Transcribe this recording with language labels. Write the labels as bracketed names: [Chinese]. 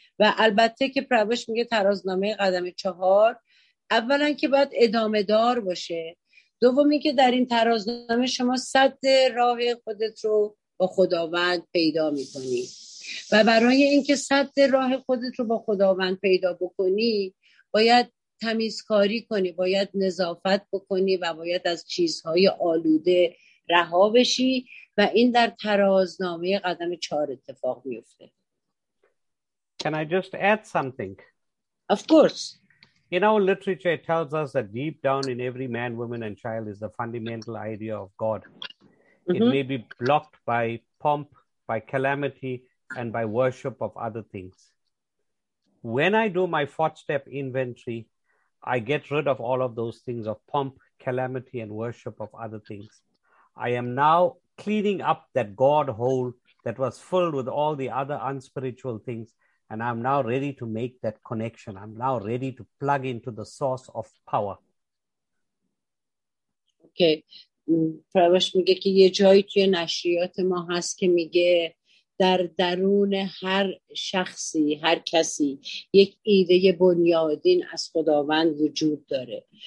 [Persian] و البته که پروش میگه ترازنامه قدم چهار اولا که باید ادامه دار باشه، دومی که در این ترازنامه شما صد راه خودت رو با خداوند پیدا میکنی و برای اینکه صد راه خودت رو با خداوند پیدا بکنی باید تمیزکاری کنی، باید نظافت بکنی و باید از چیزهای آلوده رها بشی و این در ترازنامه قدم چهار اتفاق میفته. [English] Can I just add something? Of course. In our literature it tells us that deep down in every man, woman and child is the fundamental idea of God. It mm-hmm. may be blocked by pomp, by calamity and by worship of other things. When I do my four-step inventory, I get rid of all of those things of pomp, calamity, and worship of other things. I am now cleaning up that God hole that was filled with all the other unspiritual things, and I'm now ready to make that connection. I'm now ready to plug into the source of power. Okay. [Persian] پروش میگه که یه جایی توی نشریات ما هست که میگه در درون هر شخصی، هر کسی یک ایده بنیادین از خداوند وجود داره.